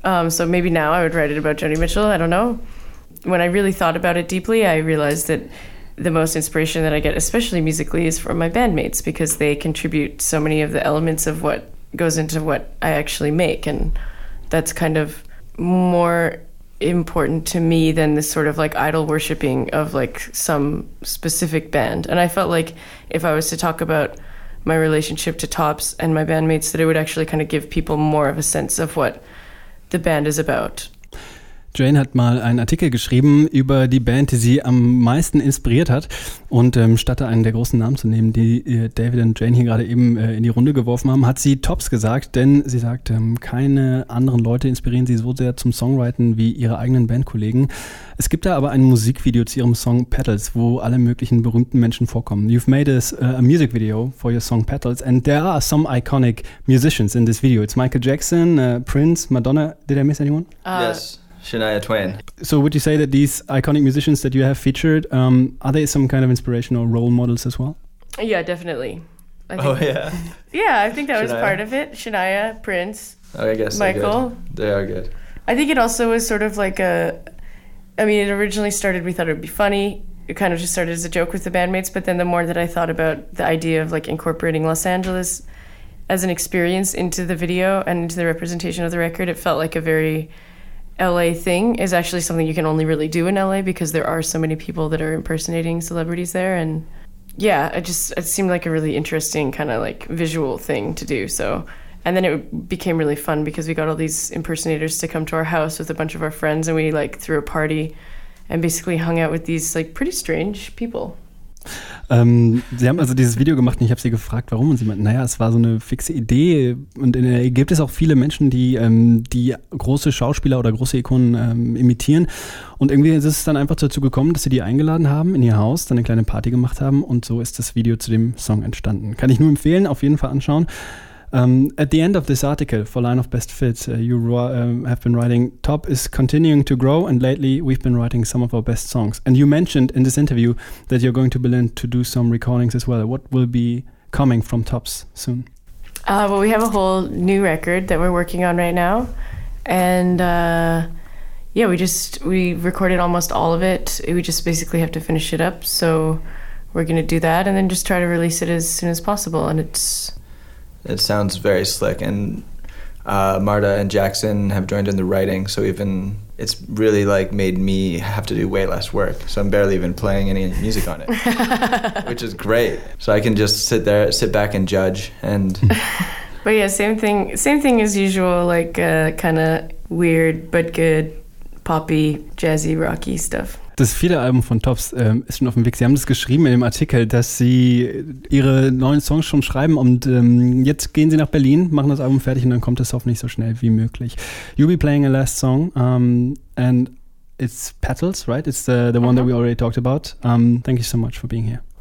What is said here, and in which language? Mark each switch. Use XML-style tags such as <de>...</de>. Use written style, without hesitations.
<en>So maybe now I would write it about Joni Mitchell. I don't know. When I really thought about it deeply, I realized that the most inspiration that I get, especially musically, is from my bandmates, because they contribute so many of the elements of what goes into what I actually make, and that's kind of more important to me than this sort of like idol worshiping of like some specific band. And I felt like if I was to talk about my relationship to Tops and my bandmates, that it would actually kind of give people more of a sense of what the band is about.</en> <de>Jane hat mal einen Artikel geschrieben über die Band, die sie am meisten inspiriert hat. Und statt einen der großen Namen zu nehmen, die David und Jane hier gerade eben in die Runde geworfen haben, hat sie Tops gesagt, denn sie sagt, keine anderen Leute inspirieren sie so sehr zum Songwriting wie ihre eigenen Bandkollegen. Es gibt da aber ein Musikvideo zu ihrem Song Petals, wo alle möglichen berühmten Menschen vorkommen.</de> <en>You've made a music video for your song Petals, and there are some iconic musicians in this video. It's Michael Jackson, Prince, Madonna. Did I miss anyone? Yes. Shania Twain. So would you say that these iconic musicians that you have featured, are they some kind of inspiration or role models as well? Yeah, definitely. Yeah. Yeah, I think that Shania was part of it. Shania, Prince, I guess Michael. They are good. I think it also was sort of like it originally started, we thought it would be funny. It kind of just started as a joke with the bandmates. But then the more that I thought about the idea of like incorporating Los Angeles as an experience into the video and into the representation of the record, it felt like a very LA thing is actually something you can only really do in LA, because there are so many people that are impersonating celebrities there. And yeah, it seemed like a really interesting kind of like visual thing to do. So, and then it became really fun because we got all these impersonators to come to our house with a bunch of our friends, and we like threw a party and basically hung out with these like pretty strange people.</en> <de>Sie haben also dieses Video gemacht, und ich habe sie gefragt, warum, und sie meinten, naja, es war so eine fixe Idee, und in LA gibt es auch viele Menschen, die die große Schauspieler oder große Ikonen imitieren, und irgendwie ist es dann einfach dazu gekommen, dass sie die eingeladen haben in ihr Haus, dann eine kleine Party gemacht haben, und so ist das Video zu dem Song entstanden. Kann ich nur empfehlen, auf jeden Fall anschauen.</de> <en>At the end of this article for Line of Best Fit, have been writing, Top is continuing to grow, and lately we've been writing some of our best songs. And you mentioned in this interview that you're going to Berlin to do some recordings as well. What will be coming from Tops soon? Well, we have a whole new record that we're working on right now. And we recorded almost all of it. We just basically have to finish it up. So we're going to do that and then just try to release it as soon as possible. And it sounds very slick, and Marta and Jackson have joined in the writing, so it's really like made me have to do way less work, so I'm barely even playing any music on it, which is great. So I can just sit back and judge. And but yeah, same thing as usual, like kind of weird but good poppy jazzy rocky stuff.</en> <de>Das vierte Album von Tops ist schon auf dem Weg. Sie haben das geschrieben in dem Artikel, dass sie ihre neuen Songs schon schreiben, und jetzt gehen sie nach Berlin, machen das Album fertig, und dann kommt es hoffentlich so schnell wie möglich.</de> <en>You'll be playing a last song, and it's Petals, right? It's the one that we already talked about. Thank you so much for being here.</en>